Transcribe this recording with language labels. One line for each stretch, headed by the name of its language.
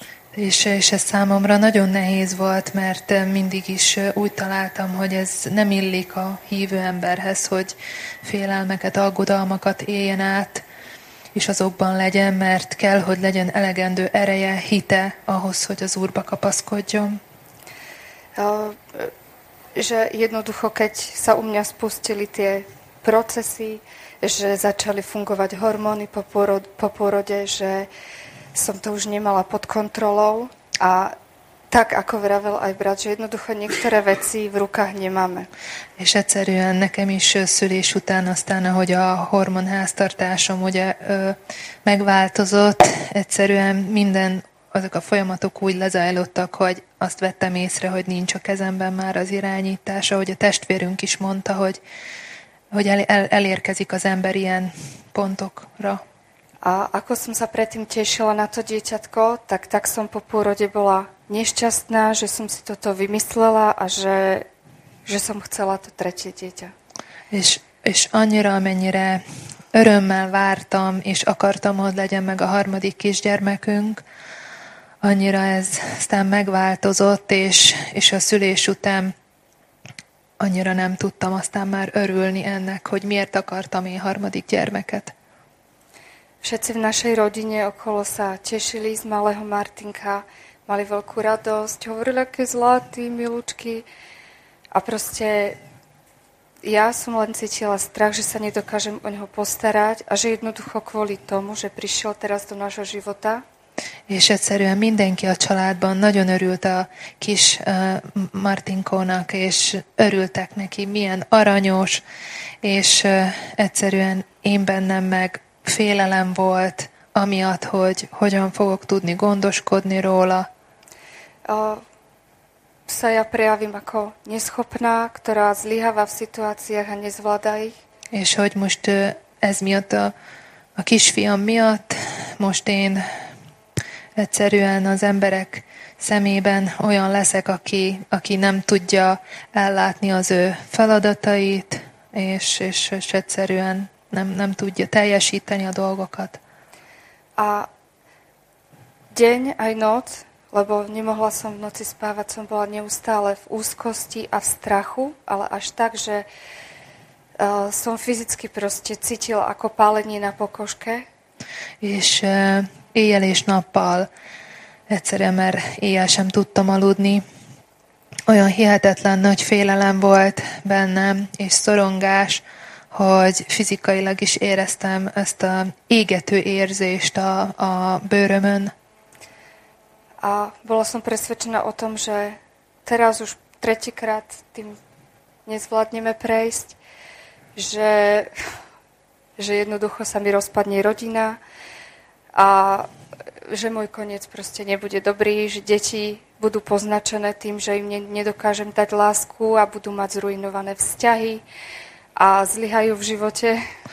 Hungarian: És ez számomra nagyon nehéz volt, mert mindig is úgy találtam, hogy ez nem illik a hívő emberhez, hogy félelmeket, aggodalmakat éljen át, és azokban legyen, mert kell, hogy legyen elegendő ereje, hite ahhoz, hogy az Úrba kapaszkodjon.
Slovak: Že jednoducho, keď sa u mňa spustili tie procesy, že začali fungovať hormóny po porode, že som to už nemala pod kontrolou a tak, ako vravel aj brat, že jednoducho niektoré veci v rukách nemáme.
Hungarian: És egyszerűen nekem is szülés után, aztán ahogy a hormonháztartásom ugye megváltozott, egyszerűen minden azok a folyamatok úgy lezajlottak, hogy azt vettem észre, hogy nincs a kezemben már az irányítás, ahogy a testvérünk is mondta, hogy elérkezik az ember ilyen pontokra.
Slovak: A ako som sa predtým tešila na to dieťatko, tak som po pôrode bola nešťastná, že som si toto vymyslela a že som chcela to tretie dieťa.
Hungarian: És annyira, amennyire örömmel vártam, és akartam, hogy legyen meg a harmadik kisgyermekünk, annyira ez aztán megváltozott, és a szülés után annyira nem tudtam aztán már örülni ennek, hogy miért akartam én harmadik gyermeket.
Slovak: Všetci v našej rodine okolo sa tešili z malého Martinka, mali veľkú radosť, hovorili, aké zlatý, milúčky. A proste ja som len cítila strach, že sa nedokážem o neho postarať a že jednoducho kvôli tomu, že prišiel teraz do nášho života.
Hungarian: És egyszerűen mindenki a családban nagyon örült a kis Martinkónak, és örültek neki, milyen aranyos, és egyszerűen én bennem meg félelem volt, amiatt, hogy hogyan fogok tudni gondoskodni róla.
Slovak: Sa ja prejavím ako neschopná, ktorá zlyháva v situáciách a nezvládá ich.
Hungarian: És hogy most ez miatt a kisfiam miatt, most én egyszerűen az emberek szemében olyan leszek, aki nem tudja ellátni az ő feladatait, és egyszerűen nem tudja teljesíteni a dolgokat.
Slovak: A deň aj noc, lebo nemohla som v noci spávať, som bola neustále v úzkosti a v strachu, ale až tak, že som fyzicky proste cítila ako pálenie na pokožke.
Hungarian: És éjjel és nappal egyszerűen, mert éjjel sem tudtam aludni. Olyan hihetetlen nagy félelem volt bennem, és szorongás, hogy fizikailag is éreztem ezt a égető érzést a bőrömön.
Slovak: A bola som presvedčená o tom, že teraz už tretíkrát tým nezvládneme prejsť, že jednoducho sa mi rozpadne rodina a že môj koniec proste nebude dobrý, že deti budú poznačené tým, že im nedokážem dať lásku a budú mať zrujnované vzťahy a zlyhajú v živote.